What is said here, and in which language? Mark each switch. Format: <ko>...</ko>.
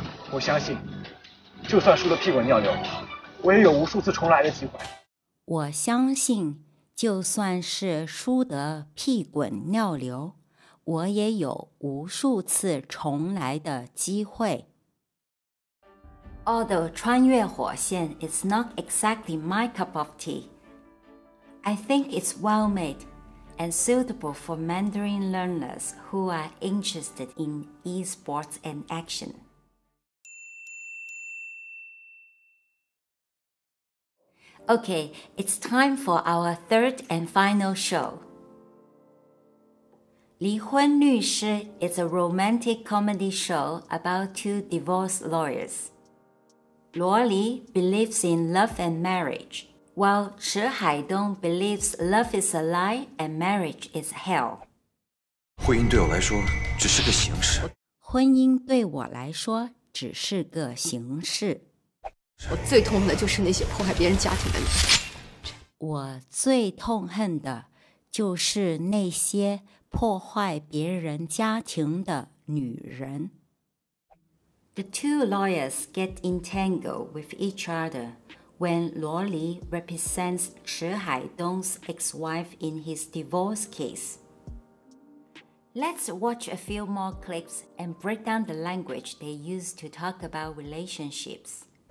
<zh>我相信，就算输得屁滚尿流，我也有无数次重来的机会。我相信，就算是输得屁滚尿流，我也有无数次重来的机会。</zh> <en>Although 穿越火线 is not exactly my cup of tea, I think it's well made and suitable for Mandarin learners who are interested in e-sports and action. 。Okay, it's time for our third and final show. 离婚律师 is a romantic comedy show about two divorce lawyers. 罗莉 believes in love and marriage, while 池海东 believes love is a lie and marriage is hell.</en> <zh>婚姻对我来说只是个形式。婚姻对我来说只是个形式。我最痛恨的就是那些破坏别人家庭的男人。我最痛恨的就是那些破坏别人家庭的女人。</zh> <en>The two lawyers get entangled with each other when Luo Li represents 池海东's ex-wife in his divorce case. Let's watch a few more clips and break down the language they use to talk about relationships.</en>